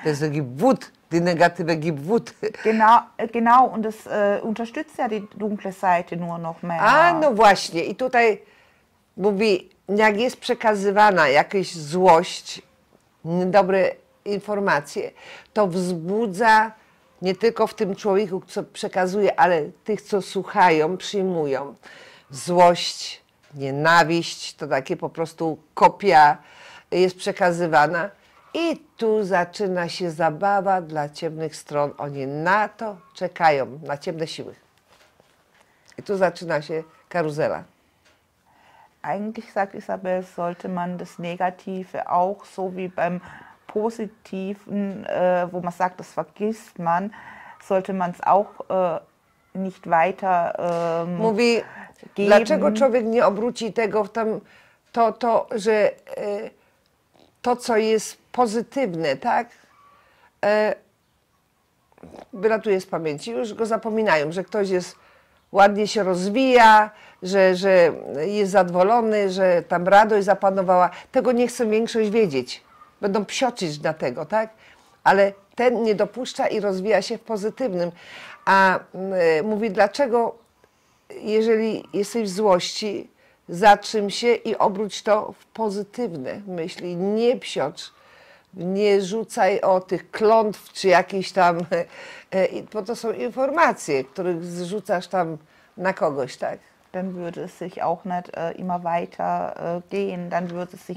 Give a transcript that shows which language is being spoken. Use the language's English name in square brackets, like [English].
[German] Das gibt Wut, die Negative gibt Wut. Genau, und es unterstützt ja die dunkle Seite nur noch mehr. [Polish] Ah, no właśnie, i tutaj mówi. Jak jest przekazywana jakaś złość, dobre informacje, to wzbudza nie tylko w tym człowieku, co przekazuje, ale tych, co słuchają, przyjmują. Złość, nienawiść, to takie po prostu kopia jest przekazywana. I tu zaczyna się zabawa dla ciemnych stron. Oni na to czekają, na ciemne siły. I tu zaczyna się karuzela. [German] Eigentlich, sagt Isabel, sollte man das Negative auch so wie beim Positiven, wo man sagt, das vergisst man, sollte man es auch nicht weiter [Polish] mówi, [German] geben. [Polish] Dlaczego człowiek nie obróci tego w tam, to że to, co jest pozytywne, tak, wylatuje z pamięci, już go zapominają, że ktoś jest ładnie się rozwija, że jest zadowolony, że tam radość zapanowała. Tego nie chce większość wiedzieć. Będą psioczyć na tego, tak? Ale ten nie dopuszcza i rozwija się w pozytywnym. A mówi, dlaczego, jeżeli jesteś w złości, zatrzym się i obróć to w pozytywne myśli. Nie psiocz, nie rzucaj o tych klątw, czy jakichś tam... bo to są informacje, których zrzucasz tam na kogoś, tak? [German] Dann würde es sich auch nicht immer weiter gehen, dann würde es sich